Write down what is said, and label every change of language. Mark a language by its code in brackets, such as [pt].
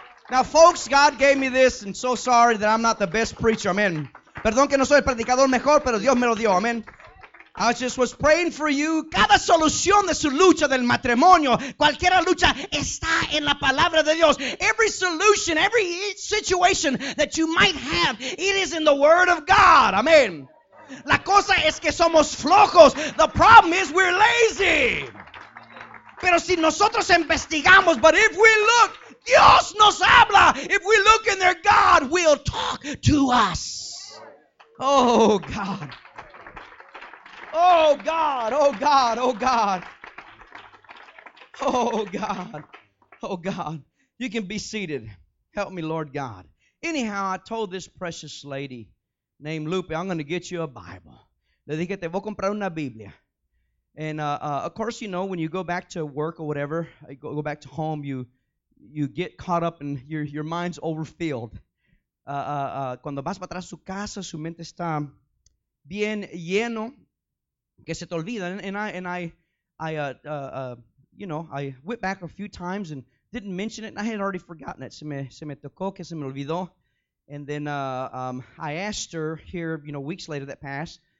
[en] Now, folks, God gave me this, and so sorry that I'm not the best preacher. Amen. [es] Perdón que no soy el predicador mejor, pero Dios me lo dio. Amen. [en] I just was praying for you. [es] Cada solución de su lucha del matrimonio, cualquiera lucha, está en la palabra de Dios. [en] Every solution, every situation that you might have, it is in the word of God. [es] Amen. La cosa es que somos flojos. [en] The problem is we're lazy. [es] Pero si nosotros investigamos, [en] but if we look, [es] Dios nos habla. [en] If we look in there, God will talk to us. Oh, God. Oh, God, oh, God, oh, God. Oh, God, oh, God. You can be seated. Help me, Lord God. Anyhow, I told this precious lady named Lupe, I'm going to get you a Bible. [es] Le dije, te voy a comprar una Biblia. [en] And, of course, you know, when you go back to work or whatever, go back to home, you get caught up and your mind's overfilled. [es] Cuando vas para atrás su casa, su mente está bien lleno. Que se te olvida. [en] And I went back a few times and didn't mention it, and I had already forgotten it. [es] Se me tocó que se me olvidó. [en] And then I asked her here, you know, weeks later that passed.